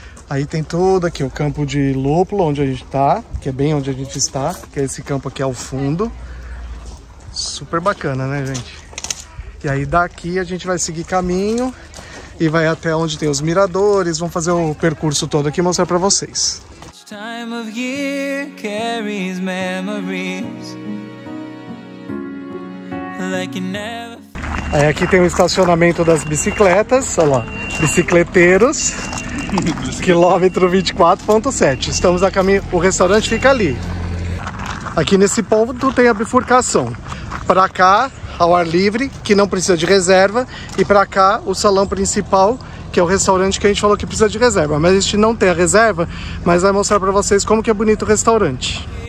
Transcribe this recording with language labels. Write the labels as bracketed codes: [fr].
[pt] Aí tem todo aqui o campo de lúpulo, onde a gente está, que é bem onde a gente está, que é esse campo aqui ao fundo. Super bacana, né, gente? E aí daqui a gente vai seguir caminho e vai até onde tem os miradores. Vamos fazer o percurso todo aqui e mostrar para vocês. [en] Each time of year carries memories. Like you never... [pt] Aí aqui tem o estacionamento das bicicletas, olha lá, bicicleteiros, quilômetro 24.7. Estamos a caminho, o restaurante fica ali. Aqui nesse ponto tem a bifurcação, para cá ao ar livre, que não precisa de reserva, e para cá o salão principal, que é o restaurante que a gente falou que precisa de reserva, mas a gente não tem a reserva, mas vai mostrar para vocês como que é bonito o restaurante.